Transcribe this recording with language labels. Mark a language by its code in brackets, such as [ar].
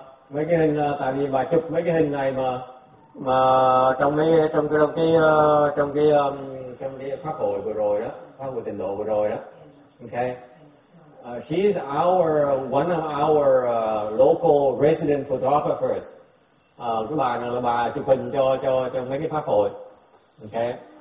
[vi] Mấy cái hình, tại vì bà chụp mấy cái hình này mà trong cái pháp hội vừa rồi đó, pháp hội tịnh độ vừa rồi đó. Okay. [en] She is one of our local resident photographers. [vi] Cái bà này là bà chụp hình cho mấy cái pháp hội. Okay.